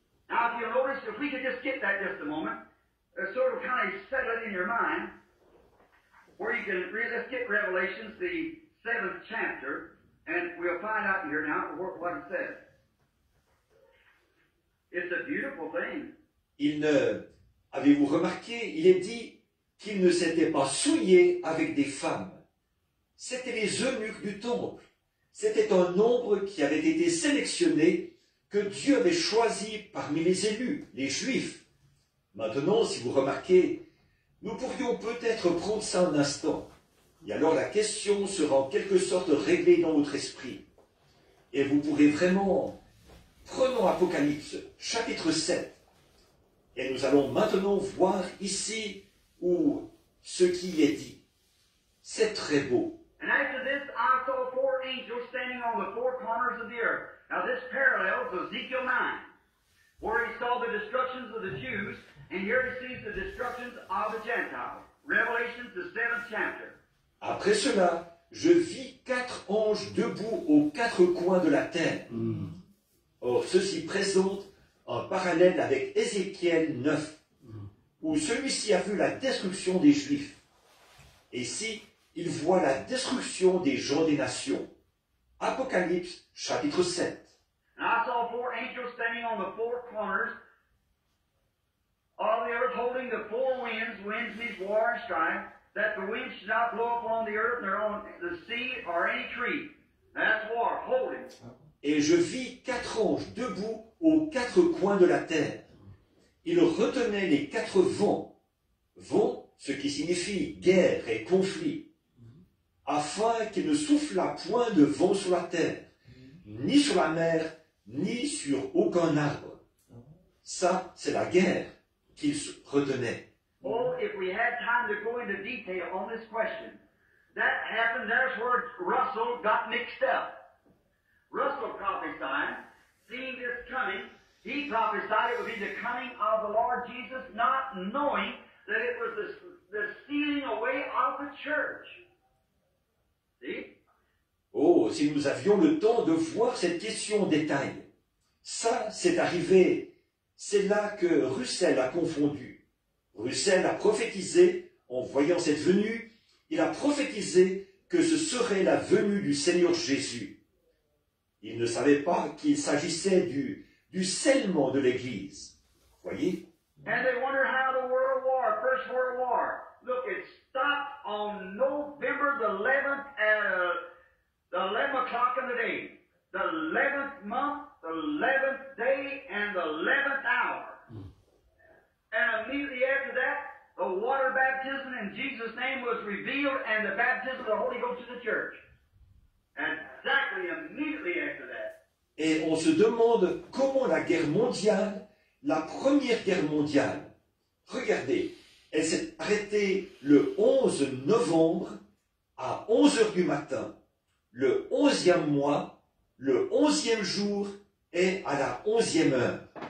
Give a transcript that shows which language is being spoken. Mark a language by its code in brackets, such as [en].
[en] Now, if you'll notice, if we could just get that just a moment, sort of kind of settle it in your mind, where you can, let's get Revelation, the 7th chapter, and we'll find out here now what it says. It's a beautiful thing. [fr] Il ne, avez-vous remarqué, il est dit qu'il ne s'était pas souillé avec des femmes. C'était les eunuques du temple. C'était un nombre qui avait été sélectionné, que Dieu avait choisi parmi les élus, les juifs. Maintenant, si vous remarquez, nous pourrions peut-être prendre ça un instant. Et alors la question sera en quelque sorte réglée dans votre esprit. Et vous pourrez vraiment... Prenons Apocalypse, chapitre 7. Et nous allons maintenant voir ici où ce qui y est dit. C'est très beau. [en] And after this, I saw four angels standing on the four corners of the earth. Now this parallels Ezekiel 9, where he saw the destructions of the Jews, and here he sees the destructions of the Gentiles. Revelation, the 7th chapter. [fr] Après cela, je vis quatre anges debout aux quatre coins de la terre. Or, ceci présente un parallèle avec Ézéchiel 9, où celui-ci a vu la destruction des Juifs. Et ici, il voit la destruction des gens des nations. Apocalypse, chapitre 7. [en] And I saw four angels standing on the four corners of the earth, holding the four winds, winds means war and strife, that the wind should not blow upon the earth, nor on the sea, or any tree. That's war, hold it. [fr] Et je vis quatre anges debout aux quatre coins de la terre. Ils retenaient les quatre vents. Vents, ce qui signifie guerre et conflit. Afin qu'il ne soufflât point de vent sur la terre, ni sur la mer, ni sur aucun arbre. Ça, c'est la guerre qu'il retenait. [en] Oh, if we had time to go into detail on this question, that happened, that's where Russell got mixed up. Russell prophesied, seeing this coming, he prophesied it would be the coming of the Lord Jesus, not knowing that it was the sealing away of the church. [fr] Oh, si nous avions le temps de voir cette question en détail. Ça, c'est arrivé. C'est là que Russell a confondu. Russell a prophétisé, en voyant cette venue, Il a prophétisé que ce serait la venue du Seigneur Jésus. Il ne savait pas qu'il s'agissait du scellement de l'Église. Voyez. [en] And they wonder how the world war, first world war. Look, it stopped on November the 11th at the 11 o'clock in the day. The 11th month, the 11th day, and the 11th hour. And immediately after that, the water baptism in Jesus' name was revealed and the baptism of the Holy Ghost in the church. Exactly immediately after that. [fr] Et on se demande comment la guerre mondiale, la première guerre mondiale, regardez, elle s'est arrêtée le 11 novembre à 11h du matin, le 11e mois, le 11e jour et à la 11e heure.